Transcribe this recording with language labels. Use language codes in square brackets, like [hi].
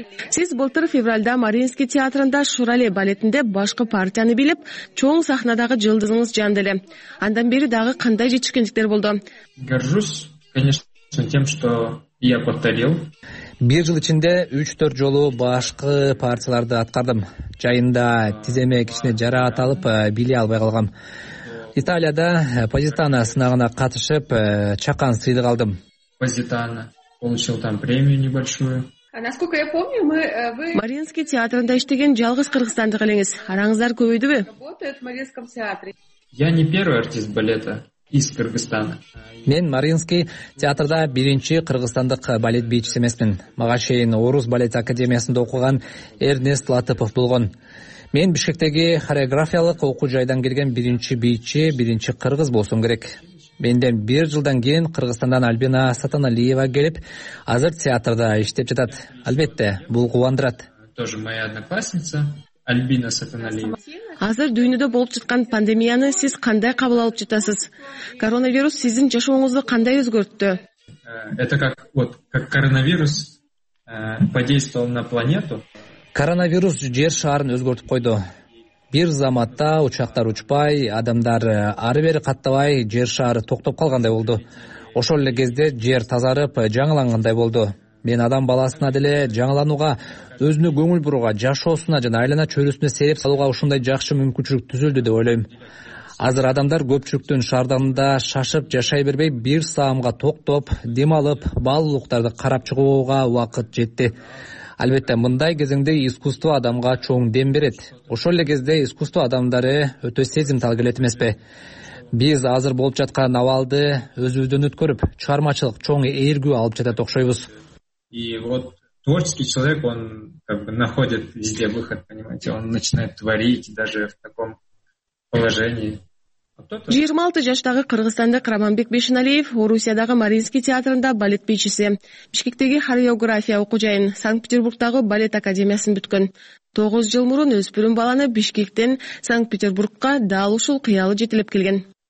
[ky] Сиз былтыр февралда Мариинский театрында Шурале балетинде башкы партияны билеп, чоң сахнадагы жылдызыңыз жанды эле. Андан бери дагы кандай жетишкендиктер болду? [ru] Горжусь, конечно, тем, что я повторил. [ky] Бир жыл ичинде 3-4 жолу башкы партияларды аткардым. Жайында тиземе кичине жараат алып, биле албай калгам. Италияда Позитано сынагына катышып, чакан сыйлык алдым. Позитано. [ru] Получил там премию небольшую. Насколько я помню, вы... [ky] Мариинский театрында иштеген жалгыз кыргызстандык элеңиз. Араңыздар көбөйдүбү? [ru] Работает в Мариинском театре. Я не первый артист балета из Кыргызстана. [ky] Мен Мариинский театрда биринчи кыргызстандык балет бийчиси эмесмин. Мага чейин Орус балет академиясында окуган Эрнест Латыпов болгон. Мен Бишкектеги хореографиялык окуу жайдан келген биринчи бийчи, биринчи кыргыз болсом керек. Менден бир жылдан кийин Кыргызстандан Альбина Сатаналиева келип, азыр театрда иштеп жатат. Албетте, бул кубандырат. [ru] Тоже моя одноклассница Альбина Сатаналиева. [ky] Азыр дүйнөдө болуп жаткан пандемияны сиз кандай кабыл алып жатасыз? Коронавирус сиздин жашооңузду кандай өзгөрттү? [ru] Это как вот, как коронавирус подействовал на планету? [ky] Коронавирус жер шарын өзгөртүп койду. Бир заматта учактар учпай, адамдар ары бери каттабай, жер шары токтоп калгандай болду. Ошол эле кезде жер тазарып, жаңылангандай болду. Мен адам баласына деле жаңылууга, өзүнө көңүл бурууга, жашоосуна жана айлана чөйрөсүнө себеп салууга ушундай жакшы мүмкүнчүлүк түзүлдү деп ойлойм. Азыр адамдар көпчүлүктүн шаардамында шашып жашай бербей, бир саамга токтоп, дем алып, баалуулуктарды карап чыгууга убакыт жетти. Албетте, мындай кезеңде искусство адамга чоң дем берет. Ошол эле кезде искусство адамдары өтө сезимтал келет эмеспи? Биз азыр болуп жаткан абалды өзүбүздөн өткөрүп, чыгармачылык чоң ээргү алып жатат окшойбуз. [ru] И вот творческий человек, он как бы находит везде выход, понимаете? Он начинает творить даже в таком положении. [ky] 26 жаштагы кыргызстандык Раманбек Бешиналиев Орусиядагы Мариинский театрында балет бийчиси. Бишкектеги хореография окуу жайын, Санкт-Петербургтагы балет академиясын бүткөн. 9 жыл мурун өспүрүм баланы Бишкектен Санкт-Петербургка дал ушул кыялы жетилеп келген.